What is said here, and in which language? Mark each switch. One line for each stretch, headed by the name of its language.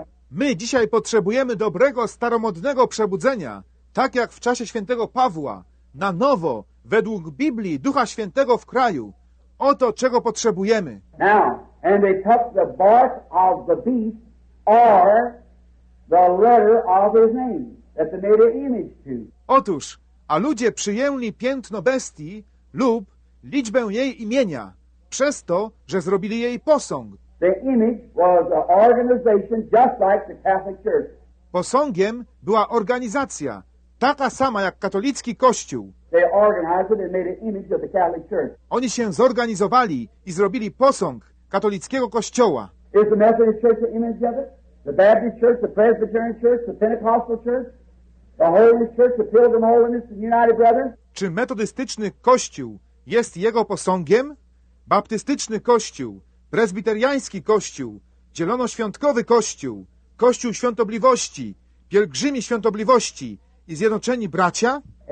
Polish: My dzisiaj potrzebujemy dobrego, staromodnego przebudzenia, tak jak w czasie świętego Pawła, na nowo, według Biblii, Ducha Świętego w kraju. Oto czego potrzebujemy.
English: Now, and they took the bark of the beast, or the letter of his name, that they made an image to.
Polish: Otóż, a ludzie przyjęli piętno bestii lub liczbę jej imienia, przez to, że zrobili jej posąg.
English: The image was an organization just like the Catholic Church.
Polish: Posągiem była organizacja, taka sama jak katolicki kościół.
English: They organized it and made an image of the Catholic Church.
Polish: Oni się zorganizowali i zrobili posąg katolickiego kościoła.
English: Is the Methodist Church an image of it? The Baptist Church, the Presbyterian Church, the Pentecostal Church, the Holy Church, the Pilgrim Holiness, the United Brothers?
Polish: Czy metodystyczny kościół jest jego posągiem? Baptystyczny kościół, prezbiteriański kościół, zielonoświątkowy kościół, kościół świątobliwości, pielgrzymi świątobliwości i zjednoczeni bracia?